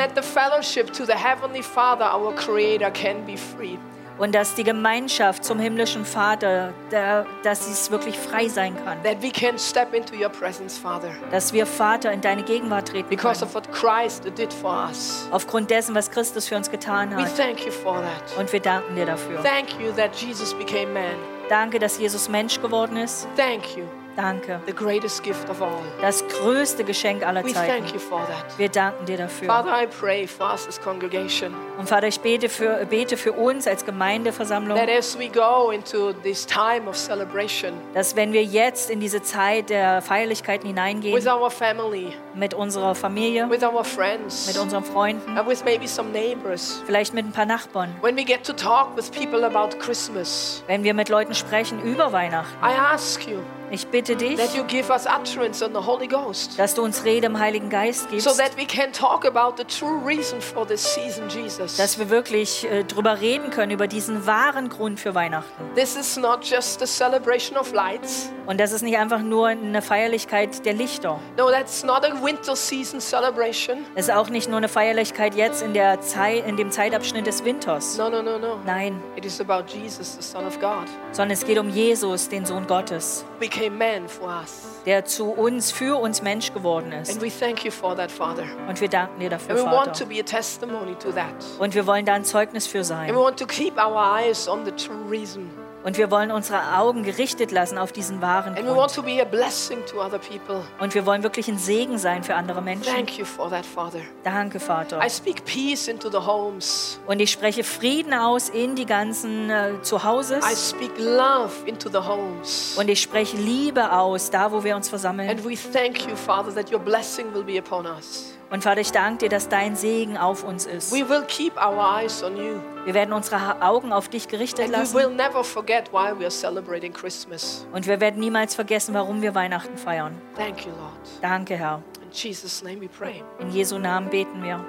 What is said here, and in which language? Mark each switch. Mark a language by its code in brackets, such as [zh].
[en] And that the fellowship to the Heavenly Father, our Creator, can be free. [de] Und dass die Gemeinschaft zum himmlischen Vater, dass sie wirklich frei sein kann. [en] That we can step into your presence, Father. [de] Dass wir, Vater, in deine Gegenwart treten [en] Because [de] können. [en] Of what Christ did for us. [de] Aufgrund dessen, was Christus für uns getan hat. [en] We thank you for that. [de] Und wir danken dir dafür. [en] Thank you that Jesus became man. [de] Danke, dass Jesus Mensch geworden ist. [en] Thank you. [de] Danke. [en] The greatest gift of all. [de] Das größte Geschenk aller Zeiten. [en] We thank you for that. [de] Wir danken dir dafür. [en] Father, I pray for us as congregation. [de] Und Vater, ich bete für uns als Gemeindeversammlung. [en] That as we go into this time of celebration. [de] Dass wenn wir jetzt in diese Zeit der Feierlichkeiten hineingehen. [en] With our family. [de] Mit unserer Familie. [en] With our friends. [de] Mit unseren Freunden. [en] And with maybe some neighbors. [de] Vielleicht mit ein paar Nachbarn. [en] When we get to talk with people about Christmas. [de] Wenn wir mit Leuten sprechen über Weihnachten. [en] I ask you. [de] Ich bitte dich, [en] that you give us utterance on the Holy Ghost, [de] dass du uns Rede im Heiligen Geist gibst, [en] so that we can talk about the true reason for this season, Jesus. [de] Dass wir wirklich drüber reden können über diesen wahren Grund für Weihnachten. [en] This is not just a celebration of lights. [de] Und das ist nicht einfach nur eine Feierlichkeit der Lichter. [en] No, that's not a winter season celebration. [de] Es ist auch nicht nur eine Feierlichkeit jetzt in dem Zeitabschnitt des Winters. [en] No. [de] Nein. [en] It is about Jesus, the Son of God. [de] Sondern es geht um Jesus, den Sohn Gottes. [en] Became man for us. [de] Der zu uns, für uns Mensch geworden ist. [en] And we thank you for that, Father. [de] Und wir danken dir dafür, [en] and we [de] Vater. [en] Want to be a testimony to that. [de] Und wir wollen da ein Zeugnis für sein. [en] And we want to keep our eyes on the true reason. [de] Und wir wollen unsere Augen gerichtet lassen auf diesen wahren Grund. [en] And we want to be a blessing to other people. [de] Und wir wollen wirklich ein Segen sein für andere Menschen. [en] Thank you for that, Father. [de] Danke, Vater. [en] I speak peace into the homes. [de] Und ich spreche Frieden aus in die ganzen Zuhause. [en] I speak love into the homes. [de] Und ich spreche Liebe aus, da wo wir uns versammeln. [en] And we thank you, Father, that your blessing will be upon us. [de] Und Vater, ich danke dir, dass dein Segen auf uns ist. [en] We will keep our eyes on you. [de] Wir werden unsere Augen auf dich gerichtet [en] and [de] lassen. [en] We will never forget why we are celebrating Christmas. [de] Und wir werden niemals vergessen, warum wir Weihnachten feiern. [en] Thank you, Lord. [de] Danke, Herr. [en] In Jesus' name we pray. [de] In Jesu Namen beten wir.